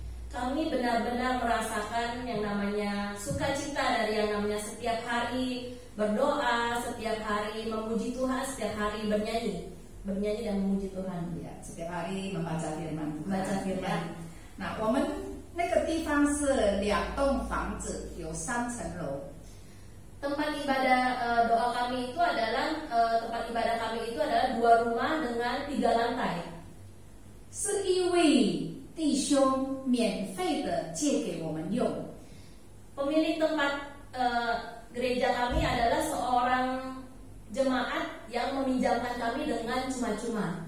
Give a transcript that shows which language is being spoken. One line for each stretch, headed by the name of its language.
Indonesian: Kami benar-benar merasakan yang namanya sukacita dari yang namanya setiap hari berdoa, setiap hari memuji Tuhan, setiap hari bernyanyi, bernyanyi dan memuji Tuhan. Ya, setiap hari membaca firman. Membaca firman.
Chinese: Nah, 我们那个地方是两栋房子，有三层楼。
Indonesian: Tempat ibadah doa kami itu adalah tempat ibadah kami itu adalah dua rumah dengan tiga lantai.
Chinese: 是因为 弟兄免费的借给我们用。
Indonesian: Pemilik tempat gereja kami adalah seorang jemaat yang meminjamkan kami dengan cuma-cuma.